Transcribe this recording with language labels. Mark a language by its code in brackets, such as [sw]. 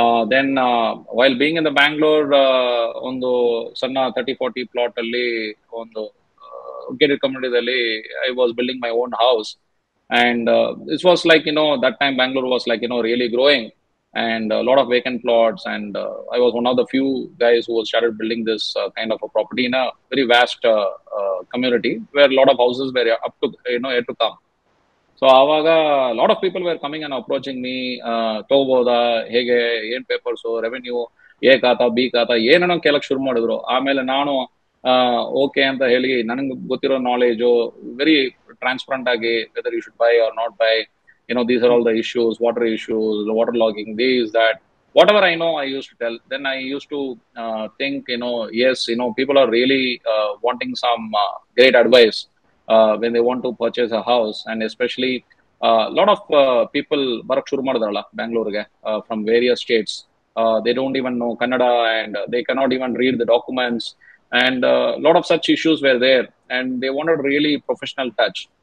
[en] Then while being in the Bangalore [kn] ondo sanna 30-40 plot alli ondo gated community alli [en] I was building my own house, and it was like, you know, that time Bangalore was like, you know, really growing, and a lot of vacant plots, and I was one of the few guys who was started building this kind of a property in a very vast community where a lot of houses were up to, you know, yet to come. [kn] So ಆವಾಗ [en] lot of people were coming and approaching me, [kn] ತಗೋಬೋದಾ, ಹೇಗೆ, ಏನ್ papers, revenue, A ಖಾತ, B ಖಾತ, ಏನೇನೋ ಕೇಳಕ್ ಶುರು ಮಾಡಿದ್ರು. ಆಮೇಲೆ ನಾನು ಓಕೆ ಅಂತ ಹೇಳಿ, ನನಗೆ ಗೊತ್ತಿರೋ ನಾಲೆಜು ವೆರಿ ಟ್ರಾನ್ಸ್ಪರೆಂಟ್ ಆಗಿ, [en] Whether you should buy or not buy, you know these are all the issues, water issues, water logging, these that, whatever I know I used to tell. Then I used to think, you know, yes, you know, people are really wanting some great advice when they want to purchase a house, and especially lot of people [kn] barak shuru madidaralla [en] Bangalore from various states, they don't even know Kannada, and they cannot even read the documents, and lot of such issues were there, and they wanted really professional touch.